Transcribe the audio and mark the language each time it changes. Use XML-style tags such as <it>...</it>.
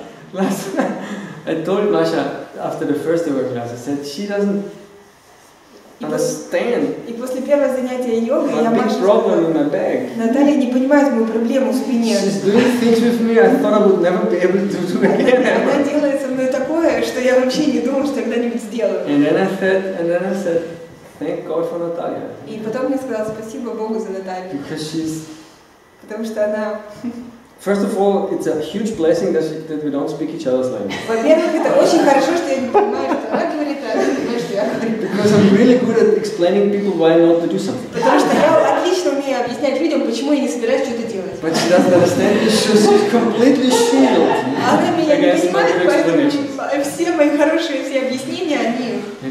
<en>Last, I told Masha after the first yoga class, I said she doesn't understand.</en> <ru>И после первого занятия йогой я</ru> <en>Маша. Big problem in my back.</en> <ru>Наталья не понимает мою проблему в спине.</ru> <en>She's doing things with me I thought I would never be able to do again.</en> <ru>Она делает со мной такое, что я вообще не думал, что когда-нибудь сделаю.</ru> <en>And then I said, thank God for Natalia.</en> <ru>И потом мне сказала спасибо Богу за Наталью.</ru> <en>Because she's.</en> <ru>Потому что она.</ru> <en>First of all, it's a huge blessing that we don't speak each other's language.</en> <ru>Во-первых, это очень хорошо, что я не понимаю, что она говорит, а я понимаю, что я говорю.</ru> <en>Because I'm really good at explaining people why not to do something.</en> <ru>Потому что я отлично умею объяснять людям, почему я не собираюсь что-то делать.</ru> <en>But she doesn't understand issues, she's completely shielded.</en> <ru>Она меня не понимает, поэтому все мои хорошие все объяснения, они...</ru>